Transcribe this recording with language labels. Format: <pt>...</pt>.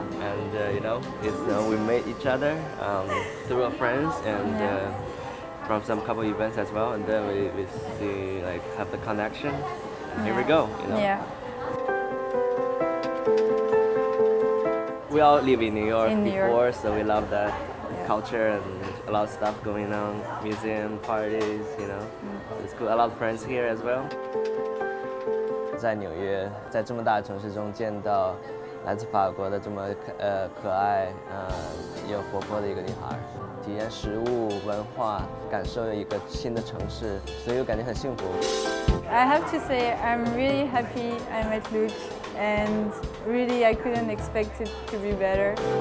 <en>And you know, we met each other through our friends and from some couple events as well, and then we see like have the connection. Yeah. Here we go, you know. Yeah. We all live in New York before. So we love that culture and a lot of stuff going on, museum, parties, you know. Mm-hmm. It's cool. A lot of friends here as well.</en> <zh>在纽约，在这么大的城市中见到来自法国的这么可爱又活泼的一个女孩，体验食物文化，感受一个新的城市，所以我感觉很幸福。</zh> <en>I have to say I'm really happy I met Luke and really I couldn't expect it to be better.</en>